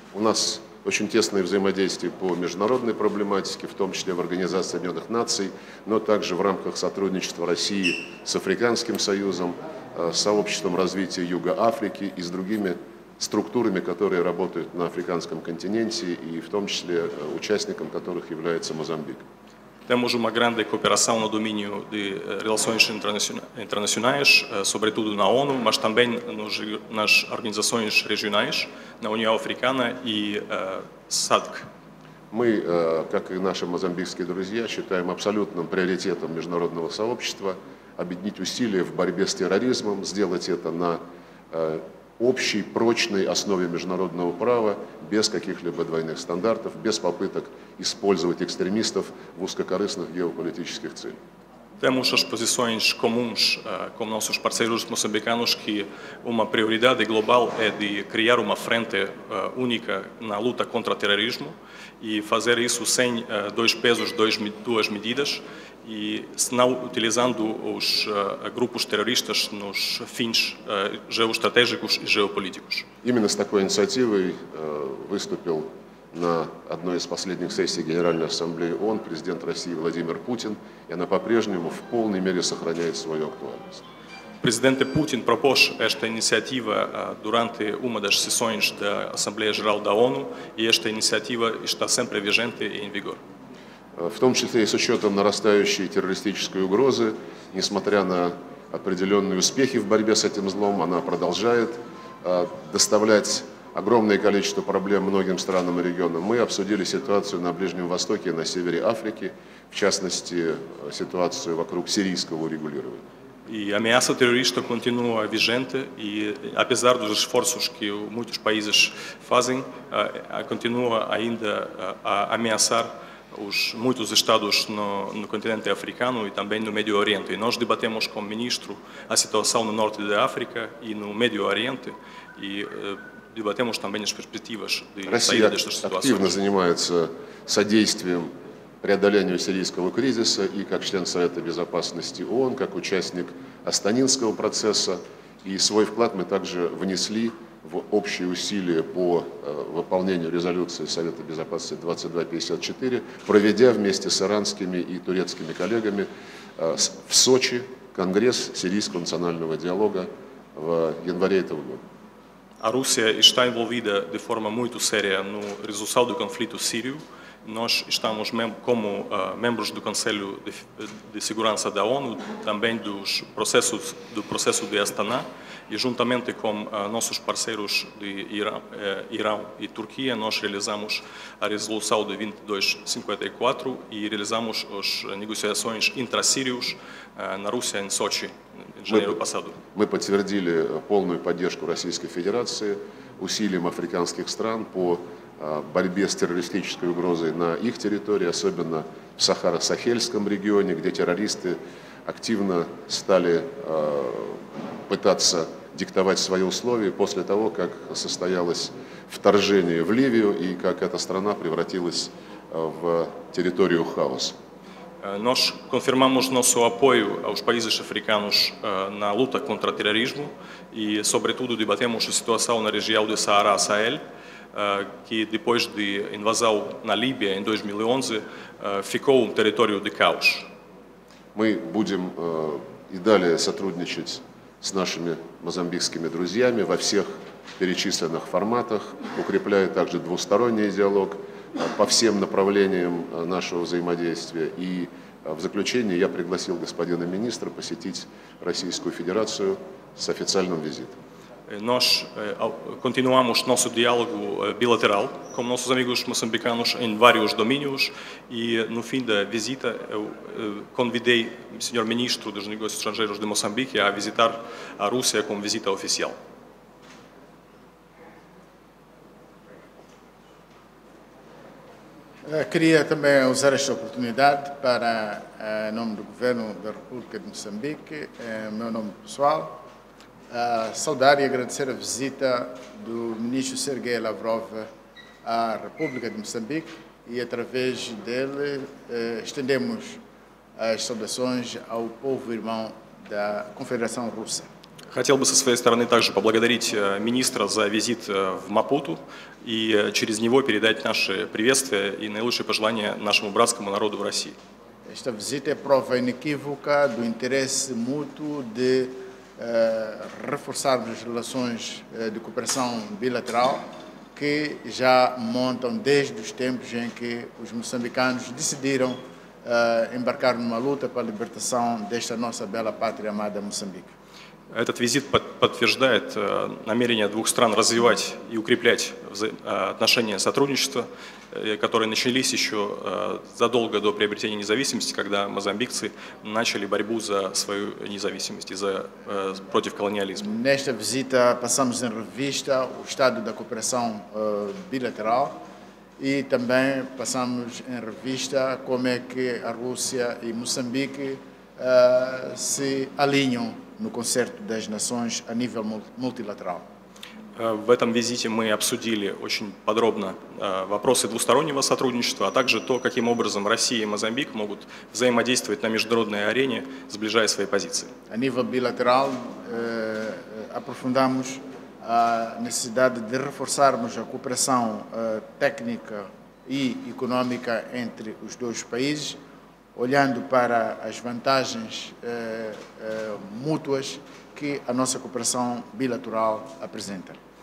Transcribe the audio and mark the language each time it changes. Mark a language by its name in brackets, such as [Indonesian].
[Russian] У нас очень тесное взаимодействие по международной проблематике, в том числе в Организации Объединенных Наций, но также в рамках сотрудничества России с Африканским Союзом, сообществом развития Юга Африки и с другими структурами, которые работают на африканском континенте, и в том числе участником которых является Мозамбик. [Portuguese] Temos uma grande cooperação no domínio de relações internacionais, sobretudo na ONU, mas também nas organizações regionais, na União Africana e SADC. [Russian] Мы, как и наши мозамбикские друзья, считаем абсолютным приоритетом международного сообщества объединить усилия в борьбе с терроризмом, сделать это на общей, прочной основе международного права, без каких-либо двойных стандартов, без попыток использовать экстремистов в узкокорыстных геополитических целях. [Portuguese] Temos as posições comuns com nossos parceiros moçambicanos que uma prioridade global é de criar uma frente única na luta contra o terrorismo e fazer isso sem dois pesos, duas medidas, e senão utilizando os grupos terroristas nos fins geoestratégicos e geopolíticos. [Russian] Именно с такой инициативой выступил на одной из последних сессий Генеральной Ассамблеи ООН президент России Владимир Путин, и она по-прежнему в полной мере сохраняет свою актуальность. Президент Путин пропош эта инициатива [Portuguese] durante uma das sessões da Assembleia Geral da ONU, [Russian] и эта инициатива [Portuguese] está sempre vigente e em vigor. [Russian] В том числе и с учетом нарастающей террористической угрозы, несмотря на определенные успехи в борьбе с этим злом, она продолжает доставлять огромное количество проблем многим странам и регионам. Мы обсудили ситуацию на Ближнем Востоке и на севере Африки, в частности, ситуацию вокруг сирийского урегулирования. [Portuguese] И ameaça terrorista continua vigente, и apesar dos esforços que muitos países fazem, continua ainda a ameaçar os muitos estados no continente africano e também no Médio Oriente. E nós debatemos com o ministro a situação no norte da África e no Médio Oriente e debatemos também as perspectivas de saída desta situação. [Russian] Россия активно занимается содействием преодолению сирийского кризиса и как член Совета Безопасности ООН, как участник Астанинского процесса. И свой вклад мы также внесли в общие усилия по выполнению резолюции Совета Безопасности 2254, проведя вместе с иранскими и турецкими коллегами в Сочи Конгресс Сирийского национального диалога в январе этого года. [Portuguese] A Rússia está envolvida de forma muito séria no resolução do conflito sírio. Nós estamos como membros do Conselho de Segurança da ONU, também dos processos do processo de Astana, e juntamente com nossos parceiros de Irã e Turquia, nós realizamos a resolução de 2254 e realizamos as negociações intra-sírios na Rússia em Sochi. [Russian] Мы подтвердили полную поддержку Российской Федерации усилиям африканских стран по борьбе с террористической угрозой на их территории, особенно в Сахаро-Сахельском регионе, где террористы активно стали пытаться диктовать свои условия после того, как состоялось вторжение в Ливию и как эта страна превратилась в территорию хаоса. [Portuguese] Nós confirmamos nosso apoio aos países africanos na luta contra o terrorismo e, sobretudo, debatemos a situação na região do Saara Sahel, que depois de invasão na Líbia em 2011, ficou um território de caos. [Russian] Мы будем и далее сотрудничать с нашими мозамбикскими друзьями во всех перечисленных форматах, укрепляя также двусторонний диалог по всем направлениям нашего взаимодействия. И в заключение я пригласил господина министра посетить Российскую Федерацию с официальным визитом. [Portuguese] Nós continuamos nosso diálogo bilateral com nossos amigos moçambicanos em vários domínios e no fim da visita eu convidei o senhor ministro dos Negócios Estrangeiros de Moçambique a visitar a Rússia com visita oficial. Queria também usar esta oportunidade para, em nome do Governo da República de Moçambique, em meu nome pessoal, saudar e agradecer a visita do ministro Sergei Lavrov à República de Moçambique e, através dele, estendemos as saudações ao povo irmão da Confederação Russa. [Russian] Хотел бы со своей стороны также поблагодарить министра за визит в Мапуту и через него передать наши приветствия и наилучшие пожелания нашему братскому народу в России. [Portuguese] Esta visita é prova inequívoca do interesse mútuo de reforçarmos as relações de cooperação bilateral que já montam desde os tempos em que os moçambicanos decidiram embarcar numa luta para a libertação desta nossa bela pátria amada Moçambique. [Russian] Этот визит подтверждает намерение двух стран развивать и укреплять отношения сотрудничества, которые начались еще задолго до приобретения независимости, когда мозамбикцы начали борьбу за свою независимость и за, против колониализма. [Portuguese] Nesta visita passamos em revista o estado da cooperação bilateral e também passamos em revista como é que a Rússia e Moçambique se alinham no concerto das nações a nível multilateral. [Russian] В этом визите мы обсудили очень подробно вопросы двустороннего сотрудничества, а также то, каким образом Россия и Мозамбик могут взаимодействовать на международной арене, сближая свои позиции. [Portuguese] A nível bilateral aprofundamos a necessidade de reforçarmos a cooperação técnica e económica entre os dois países, olhando para as vantagens mútuas que a nossa cooperação bilateral apresenta.